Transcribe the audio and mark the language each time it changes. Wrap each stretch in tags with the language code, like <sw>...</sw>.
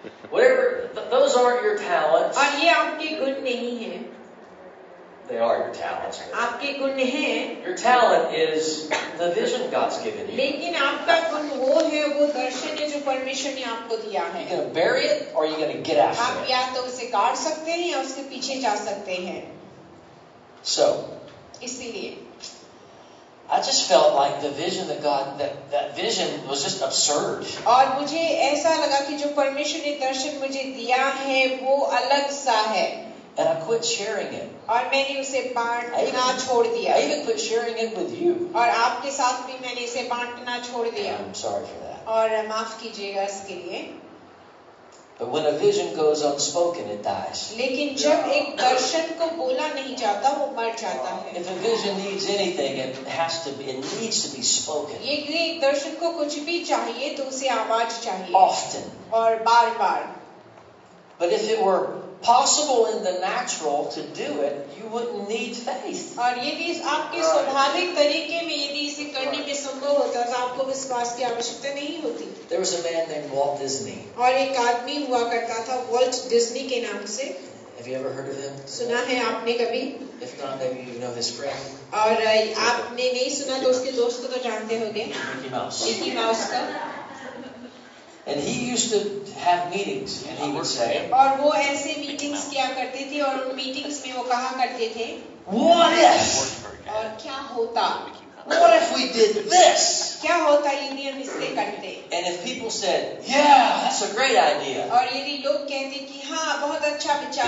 <en>Whatever, those aren't your talents.</en> <hi>और ये आपके गुण नहीं है.</hi> <en>They are your talents.</en> <hi>आपके गुण हैं.</hi> <en>Your talent is the vision God's given you.</en> <hi>लेकिन आपका गुण वो है, वो दर्शन है जो परमेश्वर ने आपको दिया है.</hi> <en>You're gonna bury it or you're gonna get after it.</en> <hi>आप या तो उसे गाड़ सकते हैं या उसके पीछे जा सकते हैं.</hi> <en>So.</en> <hi>इसीलिए.</hi> <en>I just felt like the vision that God that vision was just absurd.</en> <hi>और मुझे ऐसा लगा कि जो परमेश्वर ने दर्शन मुझे दिया है वो अलग सा है.</hi> <en>And I quit sharing it.</en> <hi>और मैंने उसे बांटना छोड़ दिया.</hi> <en>I even quit sharing it with you.</en> <hi>और आपके साथ भी मैंने इसे बांटना छोड़ दिया.</hi> <en>I'm sorry for that.</en> <hi>और माफ कीजिएगा इसके लिए.</hi> <en>But when a vision goes unspoken, it dies.</en> <hi>लेकिन जब एक दर्शन को बोला नहीं जाता, वो मर जाता है.</hi> <en>If a vision needs anything, it needs to be spoken.</en> <hi>यदि एक दर्शन को कुछ भी चाहिए, तो उसे आवाज चाहिए.</hi> <en>Often.</en> <hi>और बार-बार.</hi> <en>But if it were possible in the natural to do it, you wouldn't need faith.</en> <hi>और यदि आपके स्वाभाविक तरीके में यदि इसे करने में संभव होता, तो आपको विश्वास की आवश्यकता नहीं होती.</hi> <en>There was a man named Walt Disney.</en> <hi>और एक आदमी हुआ करता था वॉल्ट डिज्नी के नाम से.</hi> <en>Have you ever heard of him?</en> <hi>सुना है आपने कभी?</hi> <en>If not, maybe you know his friend.</en> <hi>और आपने नहीं सुना तो उसके दोस्त को तो जानते होंगे.</hi> <en>Mickey Mouse.</en> <hi>का.</hi> <en>And he used to have meetings, and he would say.</en> <hi>और वो ऐसे meetings किया करते थे और उन meetings में वो कहा करते थे.</hi> <en>What if?</en> <hi>और क्या होता?</hi> <en>What if we did this?</en> <hi>क्या होता यदि हम इसे करते?</hi> <en>And if people said, Yeah, that's a great idea.</en> <hi>और यदि लोग कहते कि हाँ बहुत अच्छा विचार</hi>